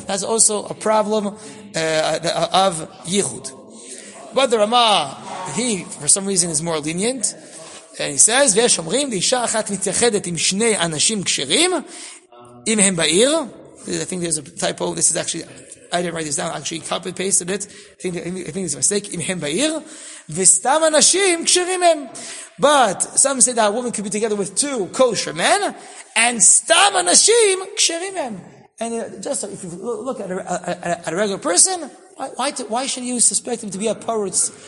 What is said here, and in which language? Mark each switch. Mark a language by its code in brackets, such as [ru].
[en] That's also a problem of Yichud. But the Rama, he, for some reason, is more lenient. And he says, [he] ויש אומרים, לאישה אחת מתייחדת עם שני אנשים כשרים, אם הם בעיר. [en] I think there's a typo. This is actually I didn't write this down. Actually, copy pasted it. I think it's a mistake. [he] Im hem ba'ir, v'stam anashim k'sherim hem. [en] But some say that a woman could be together with two kosher men, and [he] stam anashim k'sherim hem. [en] And just if you look at a regular person, why should you suspect him to be a parutz?